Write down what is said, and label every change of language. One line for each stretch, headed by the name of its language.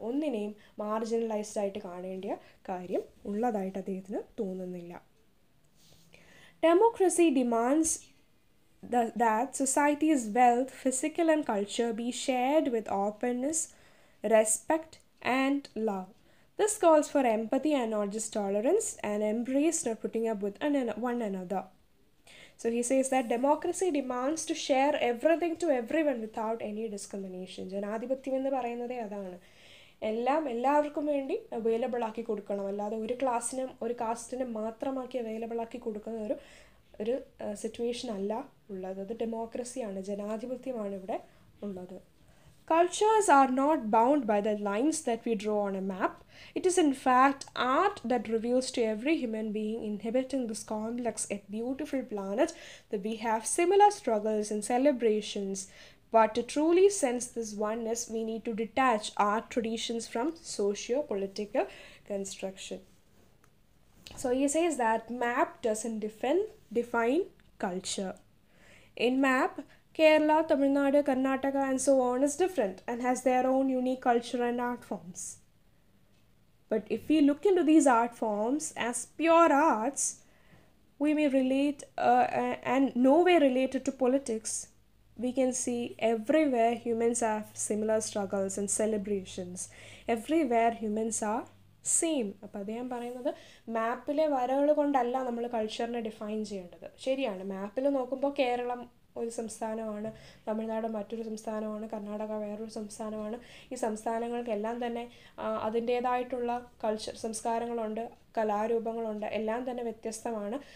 Malayalam: ഒന്നിനെയും മാർജിനലൈസ്ഡ് ആയിട്ട് കാണേണ്ട കാര്യം ഉള്ളതായിട്ട് അദ്ദേഹത്തിന് തോന്നുന്നില്ല.
English: Democracy demands that society's wealth, physical and culture be shared with openness, respect and love. This calls for empathy and not just tolerance, and embrace, not putting up with one another. So he says that democracy demands to share everything to everyone without any discrimination.
Malayalam: ജനാധിപത്യം എന്ന് പറയുന്നത് അതാണ്. എല്ലാം എല്ലാവർക്കും വേണ്ടി അവൈലബിളാക്കി കൊടുക്കണം, അല്ലാതെ ഒരു ക്ലാസ്സിനും ഒരു കാസ്റ്റിനും മാത്രമാക്കി അവൈലബിളാക്കി കൊടുക്കുന്ന ഒരു സിറ്റുവേഷൻ അല്ല ഉള്ളത്. അത് ഡെമോക്രസിയാണ്, ജനാധിപത്യമാണ് ഇവിടെ ഉള്ളത്.
English: Cultures are not bound by the lines that we draw on a map. It is in fact art that reveals to every human being inhabiting this complex yet beautiful planet that we have similar struggles and celebrations. But to truly sense this oneness, we need to detach our traditions from socio-political construction. So he says that map doesn't defend define culture. In map, Kerala, Tamil Nadu, Karnataka and so on is different and has their own unique culture and art forms. But if we look into these art forms as pure arts, we may relate and nowhere related to politics, we can see everywhere humans have similar struggles and celebrations. Everywhere humans are same.
Malayalam: അപ്പോൾ അദ്ദേഹം പറയുന്നത് മാപ്പിലെ വരകൾ കൊണ്ടല്ല നമ്മൾ കൾച്ചറിനെ define ചെയ്യേണ്ടത്. ശരിയാണ്, മാപ്പിൽ നോക്കുമ്പോൾ കേരളം ഒരു സംസ്ഥാനമാണ്, തമിഴ്നാട് മറ്റൊരു സംസ്ഥാനമാണ്, കർണാടക വേറൊരു സംസ്ഥാനമാണ്. ഈ സംസ്ഥാനങ്ങൾക്കെല്ലാം തന്നെ അതിൻ്റേതായിട്ടുള്ള കൾച്ചർ സംസ്കാരങ്ങളുണ്ട്, കലാരൂപങ്ങളുണ്ട്, എല്ലാം തന്നെ വ്യത്യസ്തമാണ്.